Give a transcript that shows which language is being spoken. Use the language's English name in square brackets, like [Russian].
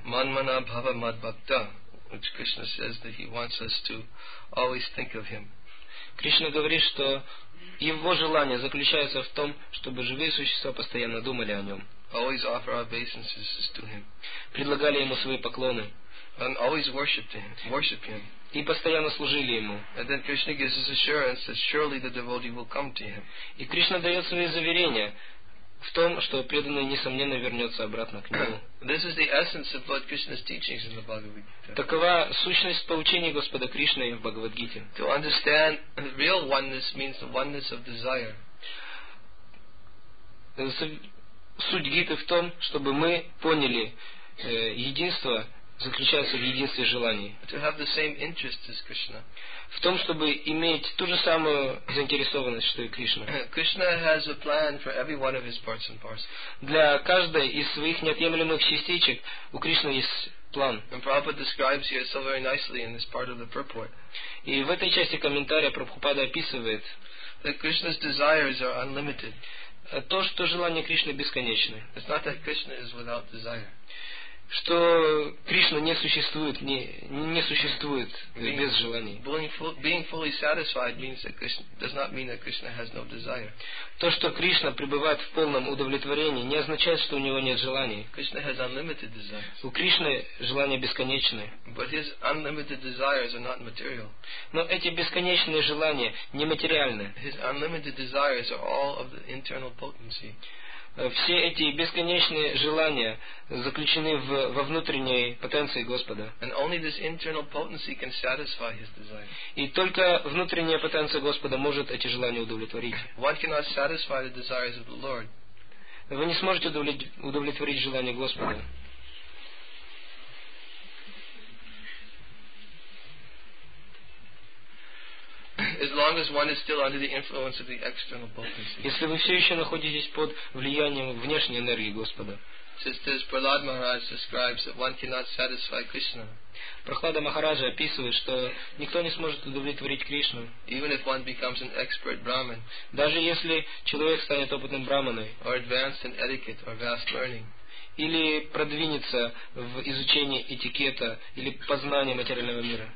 [Sanskrit] Манмана бхава мад бхакта, [English] which Krishna says that he wants us to always think of him. [Russian] Кришна говорит, что его желание заключается в том, чтобы живые существа постоянно думали о нем. [English] Always offer obeisances to him. [Russian] Предлагали ему свои поклоны. [English] And always worship him. [Russian] И постоянно служили ему. [English] And then Krishna gives his assurance that surely the devotee will come to him. [Russian] И Кришна дает свои заверения в том, что преданный несомненно вернется обратно к нему. [English] This is the essence of Lord Krishna's teachings in the Bhagavad Gita. [Russian] Такова сущность поучения Господа Кришны в Бхагавад Гите. [English] To understand real oneness means the oneness of desire. [Russian] Суть Гиты в том, чтобы мы поняли, единство заключается в единстве желаний. [English] To have the same interest as Krishna. [Russian] В том, чтобы иметь ту же самую заинтересованность, что и Кришна. [English] Krishna has a plan for every one of his parts and parcels. [Russian] Для каждой из своих неотъемлемых частичек у Кришны есть план. [English] And Prabhupada describes here so very nicely in this part of the purport. [Russian] И в этой части комментария Прабхупада описывает, [English] that Krishna's desires are unlimited. [Russian] То, что желания Кришны бесконечны. [English] It's not that Krishna is without desire. [Russian] Что Кришна не существует без желаний. [English] Being fully satisfied means that Krishna, does not mean that Krishna has no desire. [Russian] То, что Кришна пребывает в полном удовлетворении, не означает, что у него нет желаний. [English] Krishna has unlimited desires. [Russian] У Кришны желания бесконечны. [English] But his unlimited desires are not material. [Russian] Но эти бесконечные желания нематериальны. [English] His unlimited desires are all of the internal potency. [Russian] Все эти бесконечные желания заключены во внутренней потенции Господа. [English] And only this internal potency can satisfy his desire. [Russian] И только внутренняя потенция Господа может эти желания удовлетворить. [English] One cannot satisfy the desires of the Lord. [Russian] Вы не сможете удовлетворить желания Господа. [English] As long as one is still under the influence of the external potency. [Russian] Если вы все еще находитесь под влиянием внешней энергии Господа. [English] Since this, Prahlad Maharaj describes that one cannot satisfy Krishna. [Russian] Прохлада Махараджа описывает, что никто не сможет удовлетворить Кришну. [English] Even if one becomes an expert Brahmin. [Russian] Даже если человек станет опытным Брахманой. [English] Or advanced in etiquette or vast learning. [Russian] Или продвинется в изучении этикета или познания материального мира.